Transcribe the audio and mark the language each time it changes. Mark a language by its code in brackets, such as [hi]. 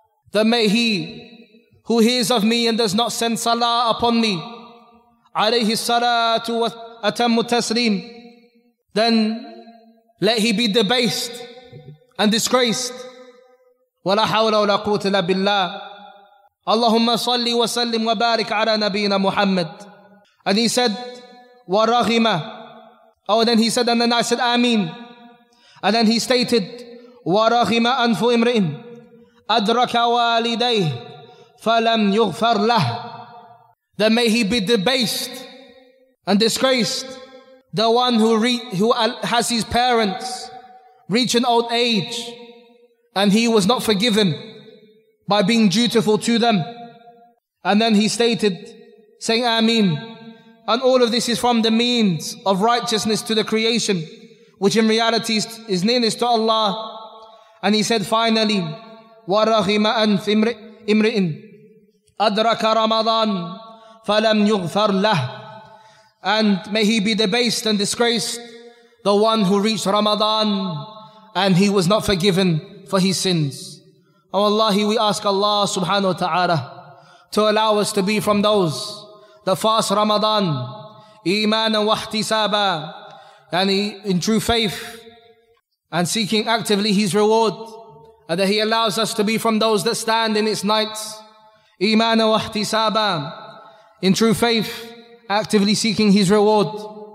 [en] That may he who hears of me and does not send salah upon me, [ar] عَلَيْهِ السَّلَاةُ وَأَتَمُّ التَّسْلِيمُ, [en] then let he be debased and disgraced. [ar] وَلَا حَوْلَ وَلَا قُوتَ إِلَّا بِاللَّهِ. اللهم صلِّ وسلِّم وبارِك على نبينا محمد. [en] And he said وَرَغِمَ. Oh, then he said, and then I said آمين. And then he stated [ar] وَرَغِمَ أَنْفُ إِمْرِئٍ أَدْرَكَ وَالِدَيْهِ فَلَمْ يُغْفَرْ لَهُ. [en] Then may he be debased and disgraced, the one who has his parents reach an old age and he was not forgiven by being dutiful to them. And then he stated, saying Ameen. And all of this is from the means of righteousness to the creation, which in reality is nearness to Allah. And he said, finally, [ar] وَرَغِمَ أَنْفْ إِمْرِئٍ أَدْرَكَ رَمَضَانٍ فَلَمْ يُغْفَرْ لَهُ. [en] And may he be debased and disgraced, the one who reached Ramadan and he was not forgiven for his sins. Oh Allahi, we ask Allah subhanahu wa ta'ala to allow us to be from those that fast Ramadan, [ar] إِيمَانًا وَاحْتِسَابًا, [en] and in true faith, and seeking actively his reward, and that he allows us to be from those that stand in its nights, إِيمَانًا وَاحْتِسَابًا, in true faith, actively seeking his reward.